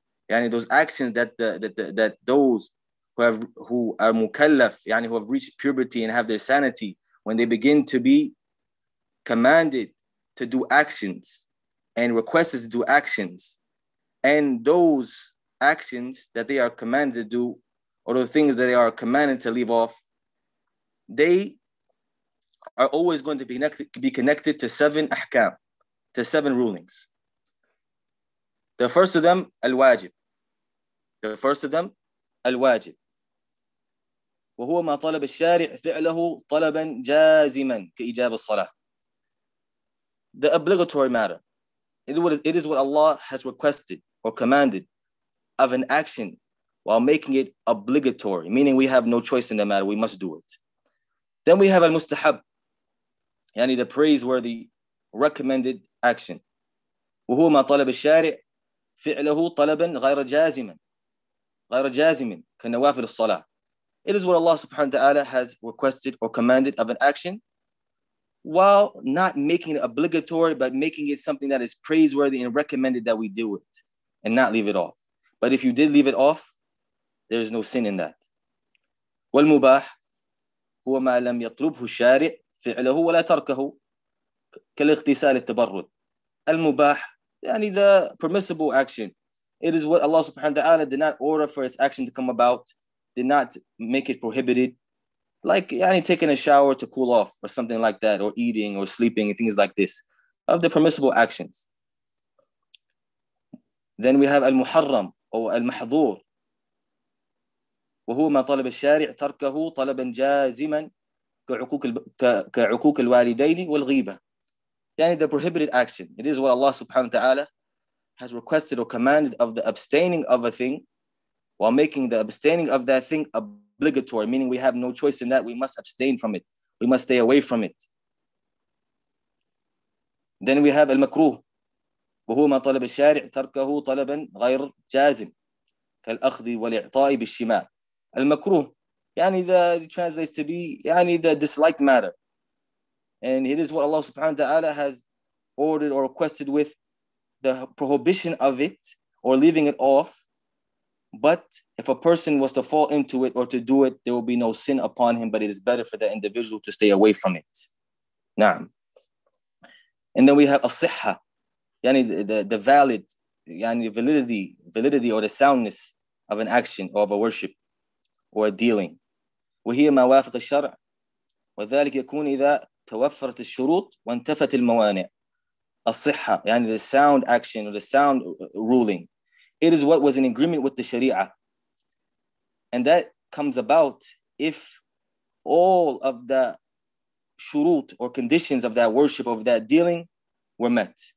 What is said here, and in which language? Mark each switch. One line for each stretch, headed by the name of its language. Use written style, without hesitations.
English: Yani those actions that those who are mukallaf, yani who have reached puberty and have their sanity, when they begin to be commanded to do actions and requested to do actions, and those actions that they are commanded to do, or the things that they are commanded to leave off, they are always going to be connected to seven ahkam, to seven rulings. The first of them, al-wajib. The first of them, الواجب.
Arabic: وهو ما طلب الشارع فعله طلبا جازما كإجابة الصلاة.
English: the obligatory matter. It is what Allah has requested or commanded of an action while making it obligatory, meaning we have no choice in the matter, we must do it. Then we have al-mustahab, yani the praiseworthy, recommended action.
Arabic: وهو ما طلب الشارع فعله طلبا غير جازما غير جازما كنوافل الصلاة.
English: It is what Allah subhanahu wa ta'ala has requested or commanded of an action while not making it obligatory, but making it something that is praiseworthy and recommended that we do it and not leave it off. But if you did leave it off, there is no sin in that.
Arabic: والمباح هو ما لم يطلبه الشارع فعله ولا تركه كالاغتسال التبرد. المباح, يعني
English: the permissible action. It is what Allah subhanahu wa ta'ala did not order for its action to come about, did not make it prohibited, like
Arabic: يعني
English: taking a shower to cool off or something like that, or eating or sleeping and things like this, of the permissible actions. Then we have المحرم or المحظور.
Arabic: وهو ما طلب الشارع تركه طلبا جازما كعقوق الوالدين والغيبة.
English: Yani the prohibited action. It is what Allah subhanahu wa ta'ala has requested or commanded of the abstaining of a thing while making the abstaining of that thing obligatory, meaning we have no choice in that. We must abstain from it. We must stay away from it. Then we have al-makruh.
Arabic: وهو ما طلب الشارع تركه طلبا غير جازم كالأخذ والإعطاء بالشمال.
English: Al-makruh, yani the translates to be, yani the disliked matter. And it is what Allah subhanahu wa ta'ala has ordered or requested with the prohibition of it or leaving it off. But if a person was to fall into it or to do it, there will be no sin upon him, but it is better for the individual to stay away from it. Na'am. And then we have as-sihha, yani the valid, yani validity or the soundness of an action or of a worship or a dealing.
Arabic: وَهِيَ مَا وَافِقَ الشَّرْعَ وَذَلِكَ يَكُونِ إِذَا توفرت الشروط وانتفت الموانع. الصحة, يعني
English: the sound action or the sound ruling. It is what was in agreement with the Sharia. And that comes about if all of the shurut or conditions of that worship, of that dealing were met.